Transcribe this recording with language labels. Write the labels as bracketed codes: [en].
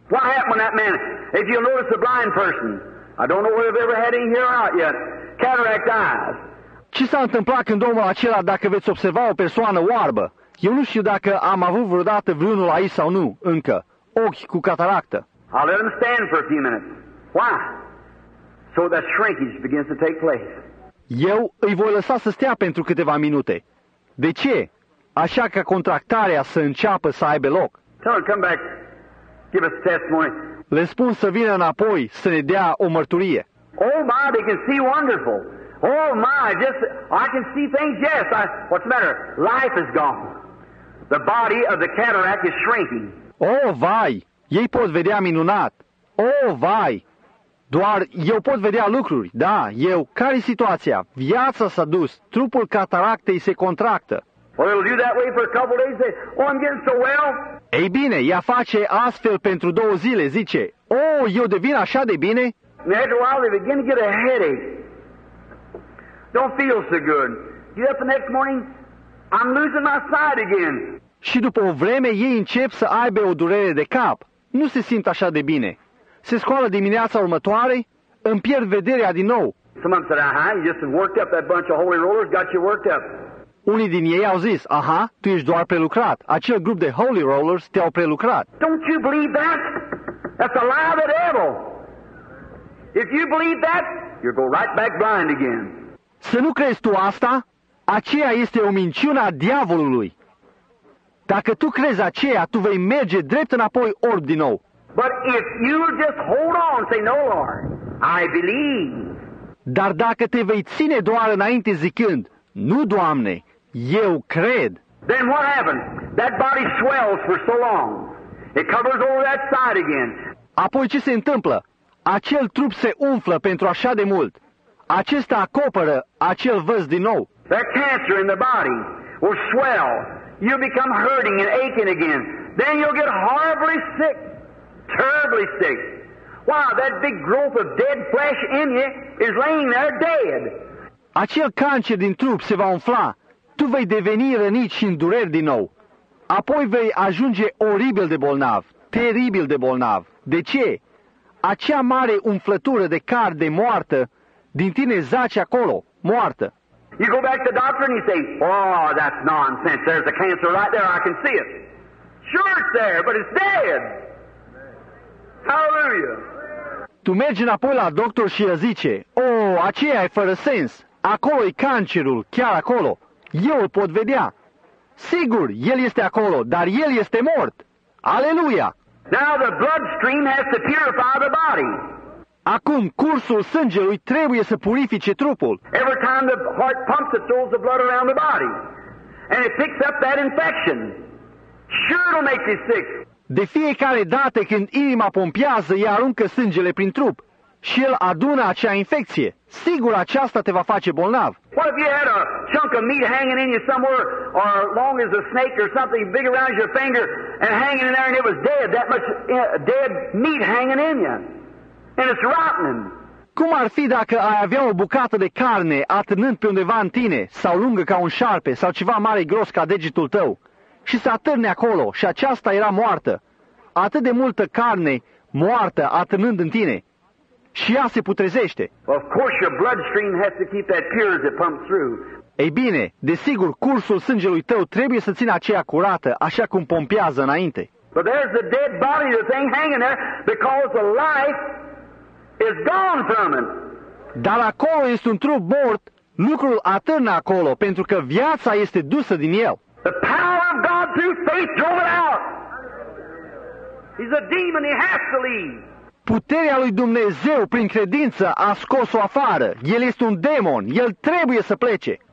[en] What happened to that man? If you notice the blind person, I don't know whether they've ever had any here or not yet. Cataract eyes. [ro] Ce s-a întâmplat când omul acela, dacă veți observa o persoană oarbă? Eu nu știu dacă am avut vreodată vreunul aici sau nu, încă. Ochi cu cataractă. [en] I'll let him stand for a few minutes. Why? So that shrinkage begins to take place. [ro] Eu îi voi lăsa să stea pentru câteva minute. De ce? Așa ca contractarea să înceapă să aibă loc. [en] Tell him, come back. Give us a testimony. [ro] Le spun să vină înapoi să ne dea o mărturie. [en] Oh my, they can see wonderful. Oh my, just I can see things. Yes, what's the matter? Life is gone. The body of the cataract is shrinking. [ro] Oh vai, ei pot vedea minunat. Oh vai, doar eu pot vedea lucruri. Da, eu. Care-i situația? Viața s-a dus. Trupul cataractei se contractă. [en] Well, it'll do that way for a couple of days. Say, oh, I'm getting so well. [ro] Ei bine, ea face astfel pentru două zile. Zice, oh, eu devin așa de bine. [en] And after a while, they begin to get a headache. Don't feel so good. Get up the next morning, I'm losing my sight again. [ro] Și după o vreme ei încep să aibă o durere de cap. Nu se simt așa de bine. Se scoală dimineața următoare, îmi pierd vederea din nou. [en] Someone said, aha, you just worked up that bunch of holy rollers, got you worked up. [ro] Unii din ei au zis, aha, tu ești doar prelucrat. Acel grup de [en] holy rollers [ro] te-au prelucrat. [en] Don't you believe that? That's a lie of the devil. If you believe that, you'll go right back blind again. [ro] Să nu crezi tu asta? Aceea este o minciună a diavolului. Dacă tu crezi aceea, tu vei merge drept înapoi orb din nou. [en] But if you just hold on, say no Lord, I believe. [ro] Dar dacă te vei ține doar înainte zicând, nu Doamne, eu cred. [en] Then what happens? That body swells for so long. It covers over that side again. [ro] Apoi ce se întâmplă? Acel trup se umflă pentru așa de mult. Acesta acoperă acel văz din nou. [en] That cancer in the body will swell. You become hurting and aching again. Then you'll get horribly sick, terribly sick. Wow, that big growth of dead flesh in you is laying there dead. [ro] Acel cancer din trup se va umfla. Tu vei deveni rănit și în dureri din nou. Apoi vei ajunge oribil de bolnav, teribil de bolnav. De ce? Acea mare umflătură de carne moartă din tine zace acolo, moartă. [en] You go back to the doctor and you say, oh, that's nonsense. There's a cancer right there. I can see it. Sure it's there, but it's dead. Hallelujah. [ro] Tu mergi înapoi la doctor și îi zice, oh, aceea e fără sens. Acolo e cancerul, chiar acolo. Eu îl pot vedea. Sigur, el este acolo, dar el este mort. Aleluia. [en] Now the bloodstream has to purify the body. [ro] Acum, cursul sângelui trebuie să purifice trupul. [en] Every time the heart pumps, it throws the blood around the body. And it picks up that infection. Sure it'll make you sick. [ro] De fiecare dată când inima pompează, ea aruncă sângele prin trup. Și el adună acea infecție. Sigur, aceasta te va face bolnav. [en] What if you had a chunk of meat hanging in you somewhere, or long as a snake or something big around your finger, and hanging in there and it was dead, that much dead meat hanging in you? And it's rotten. [ro] Cum ar fi dacă ai avea o bucată de carne atârnând pe undeva în tine, sau lungă ca un șarpe, sau ceva mare gros ca degetul tău, și se atârne acolo și aceasta era moartă? Atât de multă carne moartă atârnând în tine și ea se putrezește. [en] Of course your bloodstream has to keep that pure as it pumps through. [ro] Ei bine, desigur, cursul sângelui tău trebuie să țină aceea curată, așa cum pompează înainte. [en] But there's the dead body that ain't hanging there because the life is gone from it. [ro] Dar acolo este un trup mort, lucrul atârnă acolo pentru că viața este dusă din el. [en] The power of God through faith drove it out. He's a demon, he has to leave. [ro] Puterea lui Dumnezeu prin credință a scos-o afară. El este un demon, el trebuie să plece.